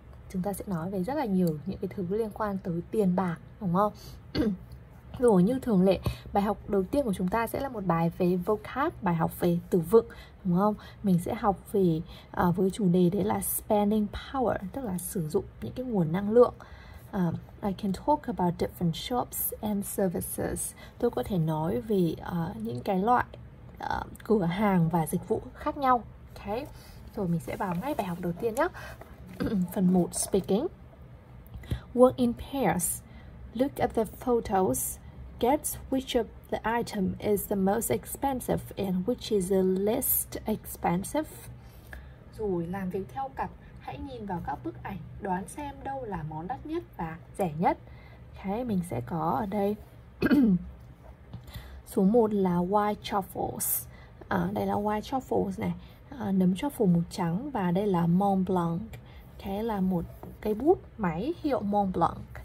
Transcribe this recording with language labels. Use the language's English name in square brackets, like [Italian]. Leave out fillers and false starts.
[Vietnamese] Chúng ta sẽ nói về rất là nhiều những cái thứ liên quan tới tiền bạc, đúng không? Rồi như thường lệ, bài học đầu tiên của chúng ta sẽ là một bài về vocab, bài học về từ vựng, đúng không? Mình sẽ học về với chủ đề đấy là [English] spending power, [Vietnamese] tức là sử dụng những cái nguồn năng lượng. [English] I can talk about different shops and services. [Vietnamese] Tôi có thể nói về những cái loại cửa hàng và dịch vụ khác nhau. Okay. Rồi mình sẽ vào ngay bài học đầu tiên nhé. Phần 1, [English] speaking. Work in pairs. Look at the photos. Guess which of the item is the most expensive and which is the least expensive. [Vietnamese] Rồi làm việc theo cặp, hãy nhìn vào các bức ảnh, đoán xem đâu là món đắt nhất và rẻ nhất. Okay, mình sẽ có ở đây. Số 1 là white truffles. Đây là white truffles này. Nấm truffle màu trắng và đây là Mont Blanc. Okay, là một cây bút máy hiệu Mont Blanc.